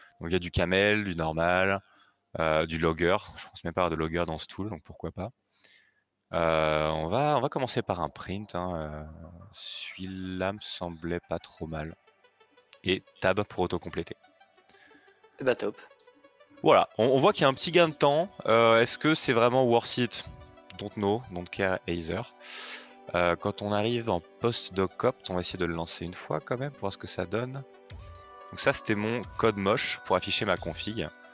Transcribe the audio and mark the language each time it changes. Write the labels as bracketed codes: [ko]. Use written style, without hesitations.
[fr] Donc, il y a du camel, du normal, du logger. Je pense même pas avoir de logger dans ce tool, donc pourquoi pas. On va commencer par un print. Hein. Celui-là me semblait pas trop mal. Et tab pour autocompléter. Et bah top. Voilà, on voit qu'il y a un petit gain de temps. Est-ce que c'est vraiment [en] worth it? Don't know, don't care either. [fr] Quand on arrive en post-doc opt, on va essayer de le lancer une fois quand même, pour voir ce que ça donne. Donc ça, c'était mon code moche pour afficher ma config.